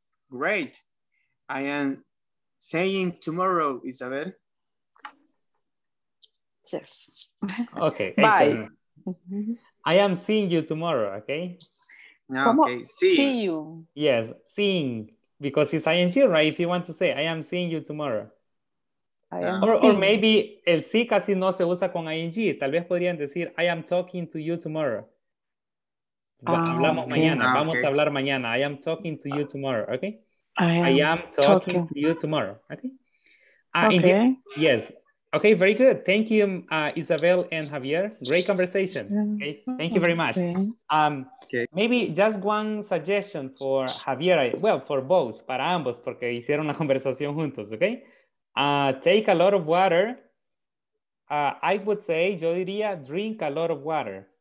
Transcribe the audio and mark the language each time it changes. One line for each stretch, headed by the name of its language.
English: Great. I am saying tomorrow, Isabel. Yes. Okay. Bye. I am seeing you tomorrow, okay? No, okay. See you. Yes, seeing. Because it's ING, right? If you want to say, I am seeing you tomorrow. Or maybe
Spanish: el sí casi no se usa con ING. Tal vez podrían decir,
English: I am talking to you tomorrow.
Spanish: Vamos a hablar mañana.
English: I am talking to you tomorrow, okay? I am talking to you tomorrow, okay? In this, yes, Okay, very good. Thank you, Isabel and Javier. Great conversation. Okay, thank you very much. Okay. Maybe just one suggestion for Javier. Well, for both,
Spanish: para ambos, porque hicieron la conversación juntos, okay?
English: Take a lot of water. I would say,
Spanish: yo diría,
English: drink a lot of water.